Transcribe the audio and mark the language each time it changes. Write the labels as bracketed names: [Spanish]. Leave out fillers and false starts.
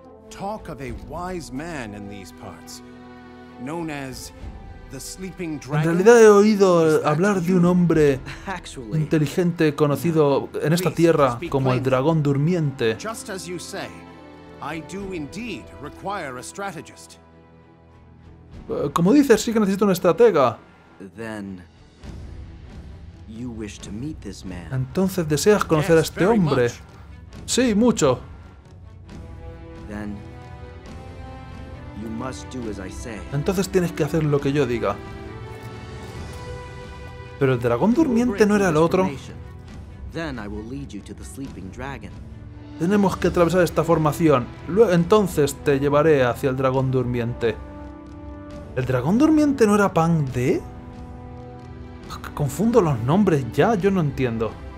[English] Talk of a wise man in these parts, known as the Sleeping Dragon. [Spanish] En realidad he oído hablar de un hombre inteligente conocido en esta tierra como el Dragón Durmiente. [English] Just as you say, I do indeed require a strategist. [Spanish] Como dices, sí que necesito un estratega. [English] Then you wish to meet this man. [Spanish] Entonces deseas conocer a este hombre. Sí, mucho. [English] Then you must do as I say. [Spanish] Entonces tienes que hacer lo que yo diga. Pero el dragón durmiente no era el otro. [English] Then I will lead you to the sleeping dragon. [Spanish] Tenemos que atravesar esta formación. Luego, entonces te llevaré hacia el dragón durmiente. ¿El dragón durmiente no era Pang De? Confundo los nombres ya, yo no entiendo.